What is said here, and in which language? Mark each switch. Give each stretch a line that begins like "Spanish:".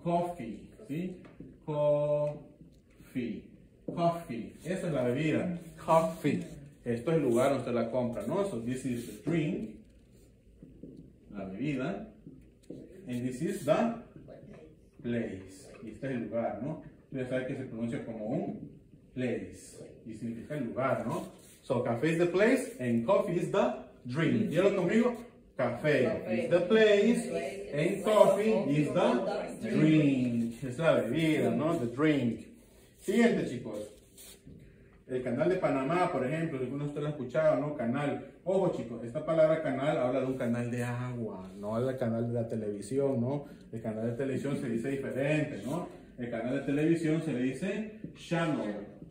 Spanish: Coffee, ¿sí? Coffee, esa es la bebida. Coffee. Esto es el lugar donde usted la compra, ¿no?
English: So, this is the drink.
Spanish: la bebida.
English: And this is the place.
Spanish: Y este es el lugar, ¿no? Tú ya sabes que se pronuncia como un place. Y significa el lugar, ¿no?
English: So, café is the place and coffee is the drink.
Spanish: Dígalo conmigo.
English: Café is the place and coffee is the drink.
Spanish: Es la bebida, ¿no?
English: The drink.
Spanish: Siguiente, chicos. El canal de Panamá, por ejemplo, algunos de ustedes lo han escuchado, ¿no? Canal. Ojo, chicos, esta palabra canal habla de un canal de agua, no el canal de la televisión, ¿no? El canal de televisión se dice diferente, ¿no? El canal de televisión se le dice channel.